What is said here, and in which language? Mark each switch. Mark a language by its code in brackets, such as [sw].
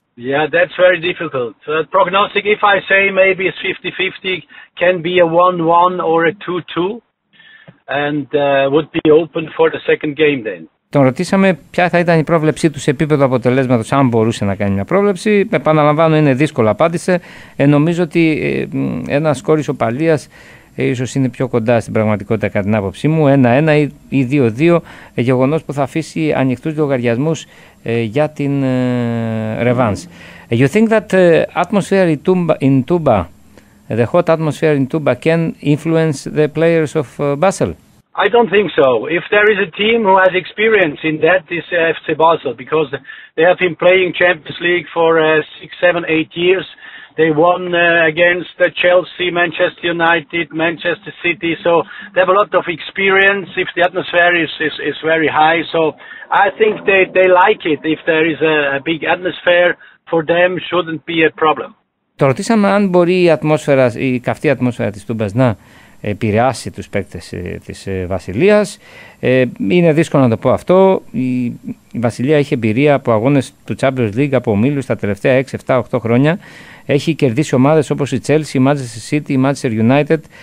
[en] Yeah, that's very difficult. Prognostic, if I say maybe it's 50-50, can be a 1-1 or a 2-2 and would be open for the second game then. [el] Τον ρωτήσαμε ποια θα ήταν η πρόβλεψή του σε επίπεδο αποτελέσματος, αν μπορούσε να κάνει μια πρόβλεψη. Επαναλαμβάνω, είναι δύσκολο, απάντησε. Νομίζω ότι ένα σκόρ ισοπαλίας ίσως είναι πιο κοντά στην πραγματικότητα, κατά την άποψή μου. 1-1 ή 2-2, γεγονός που θα αφήσει ανοιχτούς λογαριασμούς για την ρεβάνς. [en] You think that atmosphere in Tuba, the hot atmosphere in Tuba, can influence the players of Basel? I don't think so. If there is a team who has experience in that, is FC Basel, because they have been playing Champions League for 6, 7, 8 years. They won against Chelsea, Manchester United, Manchester City. So they have a lot of experience. If the atmosphere is very high, so I think they like it. If there is a big atmosphere, for them shouldn't be a problem. [el] Το ρωτήσαμε αν μπορεί η ατμόσφαιρα, η καυτή ατμόσφαιρα της Τούμπας, να επηρεάσει τους παίκτες της Βασιλείας. Είναι δύσκολο να το πω αυτό. Η Βασιλεία έχει εμπειρία από αγώνες του Champions League, από ομίλους τα τελευταία 6, 7, 8 χρόνια. Έχει κερδίσει ομάδες όπως η Chelsea, η Manchester City, η Manchester United.